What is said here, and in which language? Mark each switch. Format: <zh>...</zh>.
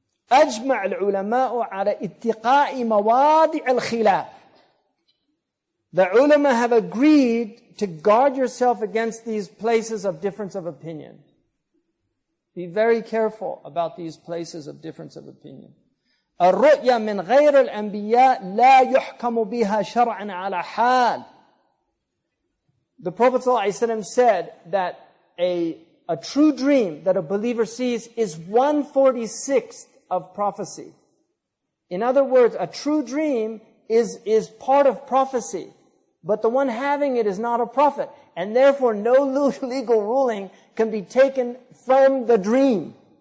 <ar>أَجْمَعَ الْعُلَمَاءُ عَلَى اتِّقَاءِ مَوَاضِعَ الْخِلَافِ.</ar> <en>The ulama have agreed to guard yourself against these places of difference of opinion. Be very careful about these places of difference of opinion.</en> <ar>الرؤيا من غير الأنبياء لا يحكم بها شرعا على حال.</ar> <en>The Prophet ﷺ said that a true dream that a believer sees is 1/46th of prophecy. In other words, a true dream is part of prophecy, but the one having it is not a prophet, and therefore no legal ruling can be taken from the dream.</en>